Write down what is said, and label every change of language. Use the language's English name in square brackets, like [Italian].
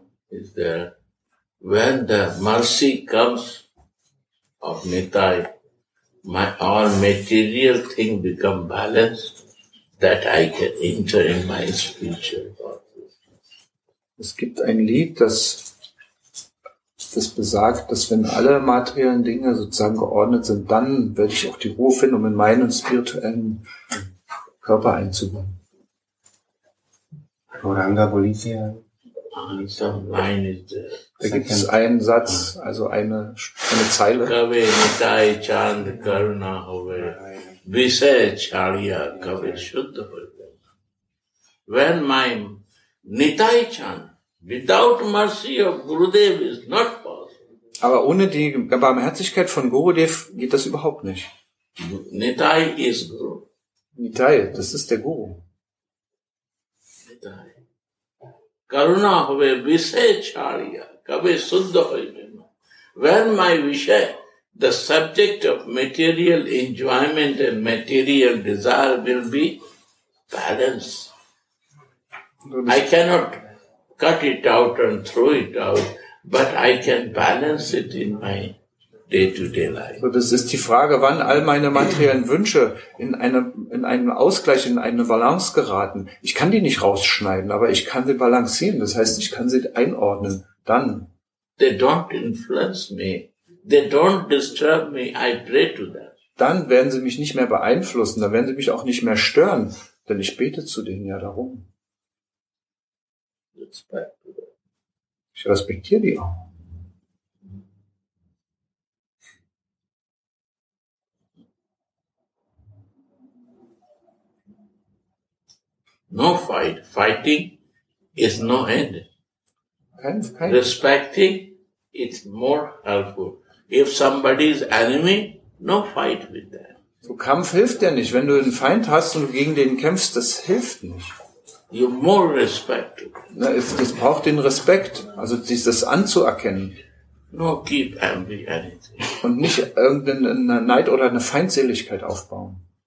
[English] Is there when the mercy comes of Nitai, my all material thing become balanced that I can enter in my spiritual body. [German] Es gibt ein Lied, das besagt, dass wenn alle materiellen Dinge sozusagen geordnet sind, dann werde ich auch die Ruhe finden, um in meinen spirituellen Körper einzubauen. Oranga Bolivia. Da gibt es einen Satz, also eine Zeile. [Bangla] Kave Nitai Chand Karuna Hove Vise Chalya Kave Shuddha Hove. [English] When my Nitai Chand without mercy of Gurudev is not possible. [German] Aber ohne die Barmherzigkeit von Gurudev geht das überhaupt nicht. [English] Nitai is Guru. [German] Nitai, das ist der Guru. [Bangla] Nitai. Karuna hove vishay chhariya kabe shuddha hoibe na. [English] When my vishay, the subject of material enjoyment and material desire will be balanced. I cannot cut it out and throw it out, but I can balance it in my day-to-day life. [German] So das ist die Frage, wann all meine materiellen Wünsche in einen Ausgleich, in eine Balance geraten. Ich kann die nicht rausschneiden, aber ich kann sie balancieren. Das heißt, ich kann sie einordnen. Dann. [English] They don't influence me. They don't disturb me. I pray to them. [German] Dann werden sie mich nicht mehr beeinflussen. Dann werden sie mich auch nicht mehr stören. Denn ich bete zu denen ja darum. Ich respektiere die auch. [English] No fight. Fighting is no end. [German] Kein. [English] Respecting is more helpful. If somebody is enemy, no fight with them. [German] So Kampf hilft ja nicht. Wenn du einen Feind hast und du gegen den kämpfst, das hilft nicht. [English] You more respect. [German] Na, es braucht den Respekt, also dieses anzuerkennen. [English] No keep envy anything. [German] Und nicht irgendeine Neid oder eine Feindseligkeit aufbauen.